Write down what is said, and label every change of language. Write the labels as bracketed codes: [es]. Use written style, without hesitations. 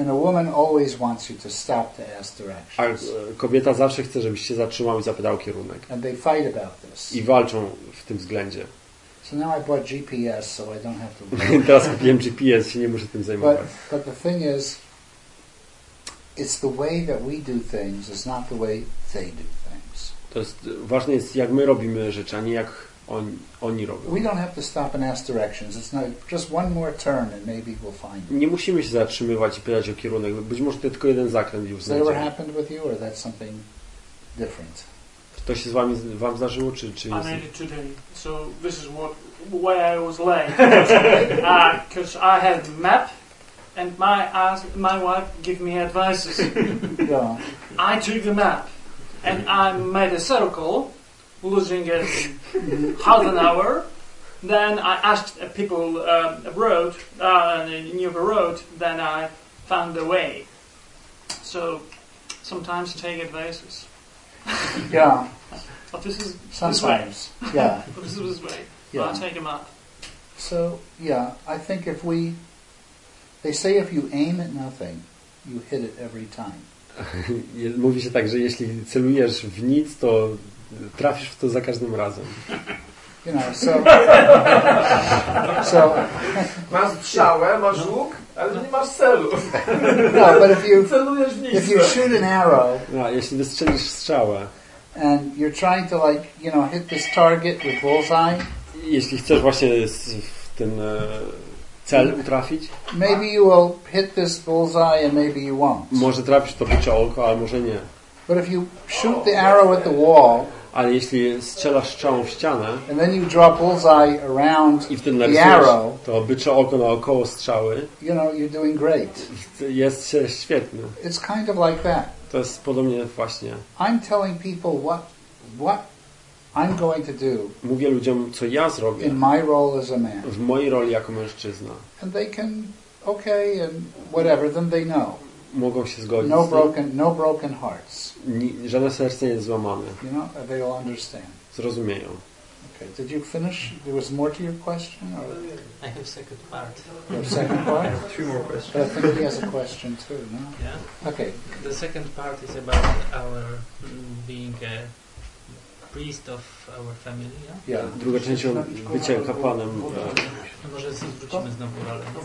[en] And a woman always wants you to stop to ask directions. [pl] A kobieta zawsze chce, żebyś się zatrzymał i zapytał kierunek. [en] And they fight about this. [pl] I walczą w tym względzie. [en] So now I bought GPS, so I don't have to. [pl] Teraz kupiłem GPS, się nie muszę tym zajmować. [en] But the thing is, it's the way that we do things is not the way they do things. [pl] To jest ważne, jest jak my robimy rzeczy, a nie jak oni robią. [en] We don't have to stop and ask directions. It's not just one more turn and maybe we'll find it. [pl] Nie musimy się zatrzymywać i pytać o kierunek. Być może to tylko jeden zakręt już znajdziemy. [en] Has that happened with you or that's something different? [pl] To się z wam zdarzyło, czy jest... [en] I made it today. So this is why I was late. Because I had a map. And my wife gave me advices. Yeah. I took the map and I made a circle, losing a half an hour. Then I asked people abroad, near the road. Then I found the way. So sometimes take advices. Yeah. But this is sometimes. This way. Yeah. But this is this way. Yeah. But I take a map. So yeah, I think if we. They say if you aim at nothing, you hit it every time. [pl] Mówi się tak, że jeśli celujesz w nic, to trafisz w to za każdym razem. [en] You know, so [pl] masz strzałę, masz łuk, ale nie masz celu. [en] No, but if you [pl] celujesz w nic, [en] if you shoot an arrow, [pl] no, jeśli wystrzelisz strzałę, [en] and you're trying to like, you know, hit this target with bullseye. [pl] Jeśli chcesz właśnie w ten cel utrafić. [en] Maybe you will hit this bullseye and maybe you won't. [pl] Może trafisz to bicie oko, ale może nie. [en] But if you shoot the arrow at the wall, [pl] ale jeśli strzelasz strzałą w ścianę, [en] and then you draw bullseye around the arrow, [pl] to bicie oko naokoło strzały, [en] you know, you're doing great. [pl] Jest świetny. [en] It's kind of like that. [pl] To jest podobnie właśnie. [en] I'm telling people what I'm going to do. [pl] Mówię ludziom, co ja zrobię. [en] In my role as a man. [pl] W mojej roli jako mężczyzna. [en] And they can okay, and whatever, then they know. [pl] Mogą się zgodzić. [en] No broken, no broken hearts. [pl] Żadne serce nie jest złamane. [en] You know, they all understand. [pl] Zrozumieją. [en] Okay, did you finish? There was more to your question? Or? I have second part. Your second part? I have two more questions. But I think he has a question too, no? Yeah. Okay. The second part is about our being a priest of our family. Yeah. Yeah. [pl] Druga część o bycie kapłanem. Może zwrócimy znowu rolę.